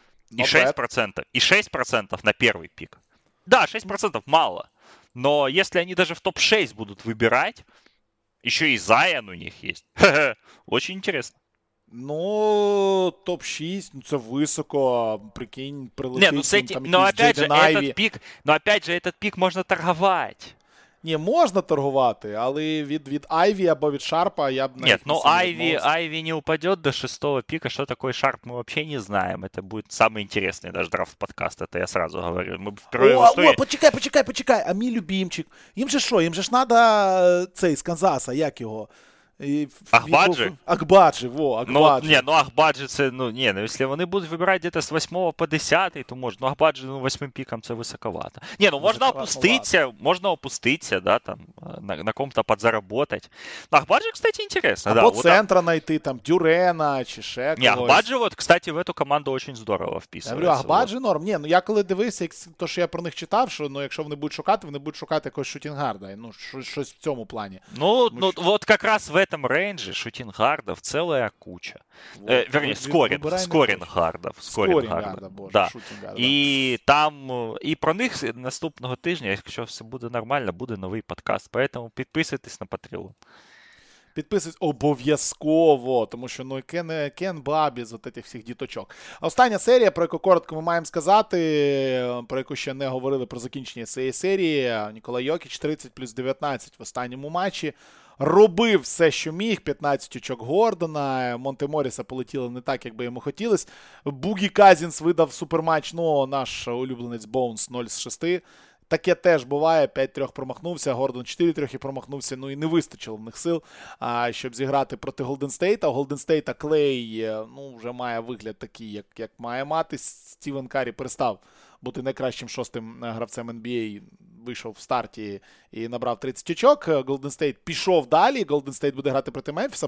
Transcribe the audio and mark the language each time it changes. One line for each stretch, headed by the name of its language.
Russian: И 6%, на первый пик. Да, 6% мало, но если они даже в топ-6 будут выбирать, еще и Зайон у них есть. Очень интересно.
Ukrainian: Ну, топ-6, ну це високо, прикинь, прилетить.
Russian: Ну, опять же, этот пик можна торговать.
Ukrainian: Ні, можна торгувати, але від Айві або від Шарпа я б навіть не відмовився. Ні, ну Айві не упадет до 6-го піка, що таке Шарп, ми взагалі не знаємо. Це буде найінтересніший навіть драфт-подкаст, це я одразу говорю. Ми почекай, а мій любімчик, їм же що, їм же ж треба цей з Канзаса, як його? Ахбаджі? Акбаджі, во, Акбаджі. Ну, Акбаджі, це, ну, якщо вони будуть вибирати десь з 8 по 10, то можна. Ну, Акбаджі, ну, 8 піком це високовато. Ні, ну, можна опуститися, да, там,
Russian: на ком-то
Ukrainian: подзаработати. Ну, Акбаджі, кстати, інтересно. Або да, центра вот, знайти, там, Дюрена, чи ще когось.
Russian: Ні, Акбаджі, вот, кстати, в эту команду очень здорово вписується. Я говорю, Акбаджі вот.
Ukrainian: Норм. Ні, ну, я коли дивився, то, що я про них читав, що, ну, якщо вони будуть шукати, якогось шутінгарда. Ну, щось в цьому плані. Ну, ну що...
Russian: вот как раз в этом рейнже шутингардов целая куча. Вот, вернее, скорингардов. Скорингардов, боже, да.
Ukrainian: И там, и про них наступного тижня, якщо все буде нормально, буде новий подкаст. Поэтому підписуйтесь на Patreon. Підписуйтесь обов'язково, тому що, ну, Кен Бабі з от цих всіх діточок. Остання серія, про яку коротко ми маємо сказати, про яку ще не говорили про закінчення цієї серії. Ніколай Йокіч 30 плюс 19 в останньому матчі. Робив все, що міг, 15 очок Гордона, Монте Моріса полетіло не так, як би йому хотілося. Бугі Казінс видав суперматч, ну, наш улюбленець Боунс 0 з 6. Таке теж буває, 5-3 промахнувся, Гордон 4-3 промахнувся, ну і не вистачило в них сил, щоб зіграти проти Голден Стейта. У Голден Стейта Клей, ну, вже має вигляд такий, як має мати. Стівен Карі перестав бути найкращим шостим гравцем NBA, вийшов в старті і набрав 30 очок. Golden State пішов далі. Golden State буде грати проти Мемфіса.